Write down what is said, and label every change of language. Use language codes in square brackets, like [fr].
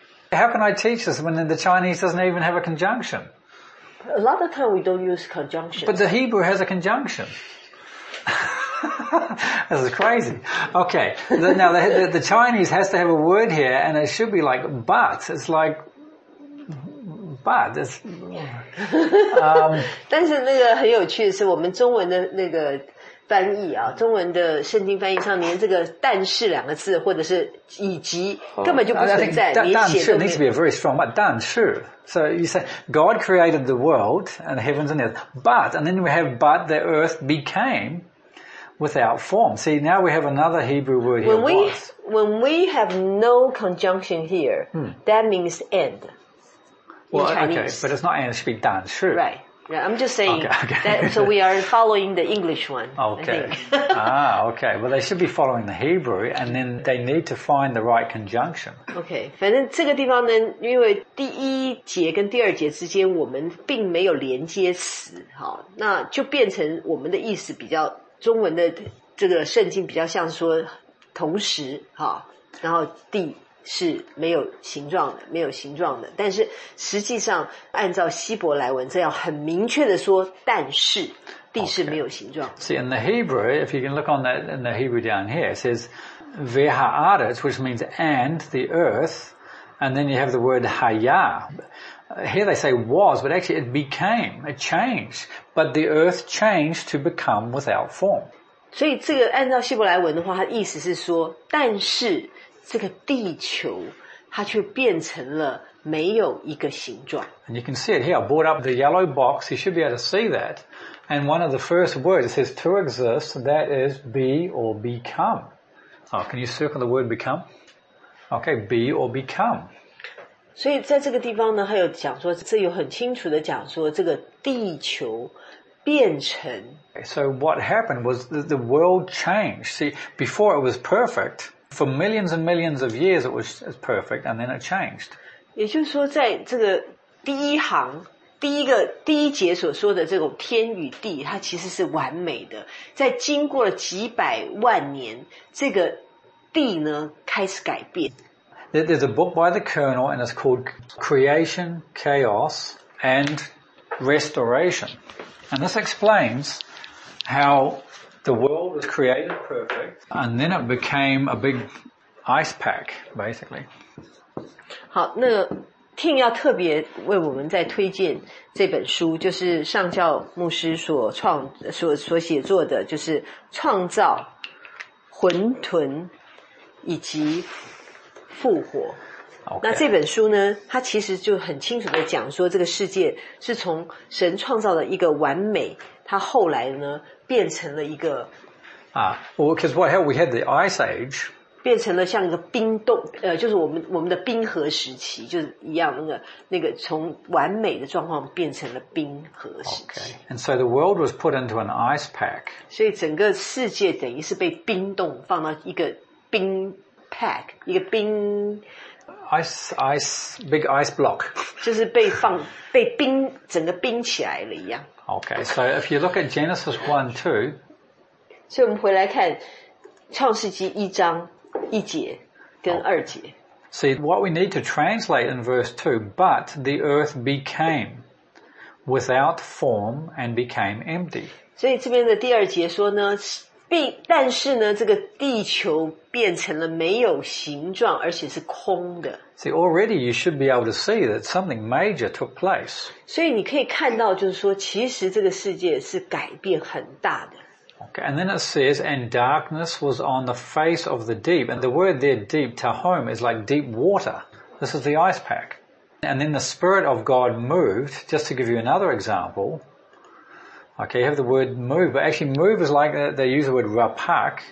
[en] How can I teach this when the Chinese doesn't even have a conjunction? A lot of time we don't use conjunctions. But the Hebrew has a conjunction. This is crazy. Okay, now the Chinese has to have a word here, and it should be like, but. It's like, but. It's, [zh] 但是那个很有趣的是，我们中文的那个翻译啊，中文的圣经翻译上连这个但是两个字或者是以及根本就不存在， [en] 但是 needs to be a very strong word, 但是 so you say God created the world and the heavens and the earth, but, and then we have but the earth became without form. See, now we have another Hebrew word here. When we have no conjunction here, that means end. Well, okay, but it's not end, it should be 但是 right. Yeah, I'm just saying, okay. That, so we are following the English one. Okay. okay. Well, they should be following the Hebrew, and then they need to find the right conjunction. Okay. [zh] 反正这个地方呢，因为第一节跟第二节之间我们并没有连接词，那就变成我们的意思比较，中文的这个圣经比较像说同时，然后第是没有形状的，没有形状的。但是实际上，按照希伯来文，这样很明确的说，但是地是没有形状。 [en] Okay. See in the Hebrew, if you can look on that in the Hebrew down here, it says "veha'aretz," which means "and the earth," and then you have the word "hayah." Here they say "was," but actually it became, it changed, but the earth changed to become without form. [zh] 所以这个按照希伯来文的话，它意思是说，但是。这个地球它却变成了没有一个形状。 [en] And you can see it here. I brought up the yellow box. You should be able to see that. And one of the first words, it says to exist, that is be or become. Oh, can you circle the word become? Okay, be or become. [zh] 所以在这个地方呢，还有讲说，这有很清楚的讲说，这个地球变成。 [en] So what happened was the world changed. See, before it was perfect. For millions and millions of years, it was perfect, and then it changed. [zh] 也就是说，在这个第一行、第一节所说的这种天与地，它其实是完美的。在经过了几百万年，这个地呢开始改变。 [en] There's a book by the Colonel, and it's called Creation, Chaos, and Restoration, and this explains how. The world was created perfect, and then it became a big ice pack, basically. [zh] 好，那个 Tim 要特别为我们再推荐这本书，就是上教牧师所写作的，就是《创造、混沌以及复活》。 [en] Okay. [zh] 那这本书呢，它其实就很清楚的讲说，这个世界是从神创造的一个完美，它后来呢变成了一个 [en] 啊、well, ，because what happened? We had the ice age， [zh] 变成了像一个冰冻，就是我们的冰河时期，就是一样那个从完美的状况变成了冰河时期。 [en] Okay. And so the world was put into an ice pack， [zh] 所以整个世界等于是被冰冻放到一个冰 pack， 一个冰。 [en] Ice, big ice block. [zh] 就是被放被冰整个冰起来了一样。 [en] Okay, so if you look at Genesis 1:2, [zh] 所以我们回来看创世纪一章一节跟二节。 [en] See what we need to translate in verse 2, but the earth became without form and became empty. [zh] 所以这边的第二节说呢。但是呢，这个地球变成了没有形状，而且是空的。 [en] See, already you should be able to see that something major took place. [zh] 所以你可以看到，就是说，其实这个世界是改变很大的。 [en] Okay, and then it says, and darkness was on the face of the deep. And the word there, deep, tahom, is like deep water. This is the ice pack. And then the Spirit of God moved, just to give you another example. Okay, you have the word move, but actually move is like, they use the word rapak.